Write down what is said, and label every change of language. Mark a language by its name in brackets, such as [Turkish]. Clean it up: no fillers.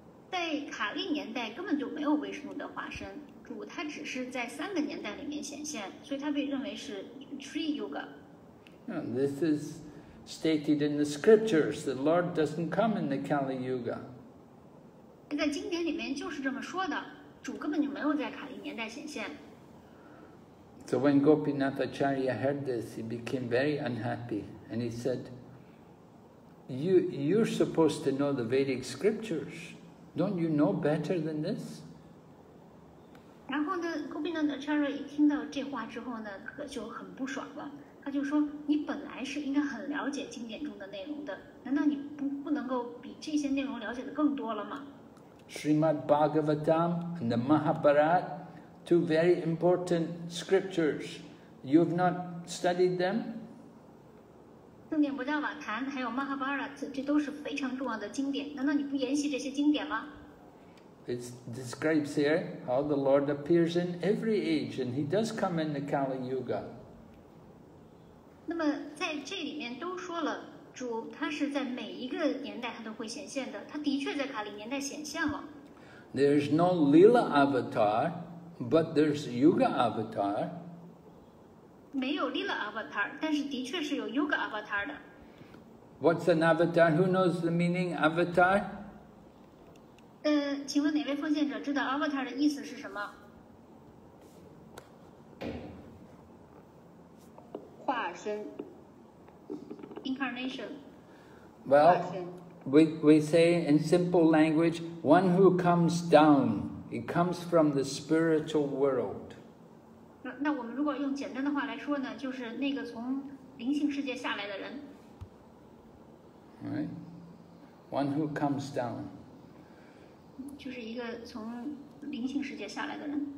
[Chinese] 在卡利年代根本就没有 Vishnu 的化身。主他只是在三个年代里面显现，所以他被认为是 Tri Yuga. [English] This is stated in the scriptures. The Lord doesn't come in the Kali Yuga. [Chinese] 在经典里面就是这么说的，主根本就没有在卡利年代显现。 [English] So when Gopinath Acharya heard this, he became very unhappy, and he said, "You're supposed to know the Vedic scriptures. Don't you know better than this?" [Chinese] 然后呢 Gopinath Acharya 一听到这话之后呢就很不爽了，他就说你本来是应该很了解经典中的内容的，难道你 不能够比这些内容了解的更多了吗？ [English] Srimad Bhagavatam and the Mahabharat, two very important scriptures, you have not studied them? [Chinese] 经典不叫瓦坛还有 Mahabharat, 这都是非常重要的经典，难道你不研习这些经典吗？ [English] It describes here how the Lord appears in every age and he does come in the Kali Yuga. [Chinese] 那么在这里面都说了主他是在每一个年代他都会显现的，他的确在卡里年代显现了。 [English] There's no Lila Avatar, but there's Yuga Avatar. [Chinese] 没有 Lila Avatar, 但是的确是有 Yuga Avatar 的。 [English] What's an avatar? Who knows the meaning avatar? [Chinese] 请问哪位奉献者知道 avatar 的意思是什么？化身。 [English] Incarnation. Well, we say in simple language, one who comes down, he comes from the spiritual world. [Chinese] 那我们如果用简单的话来说呢，就是那个从灵性世界下来的人。 [English] Right, one who comes down. [Chinese] 就是一个从灵性世界下来的人。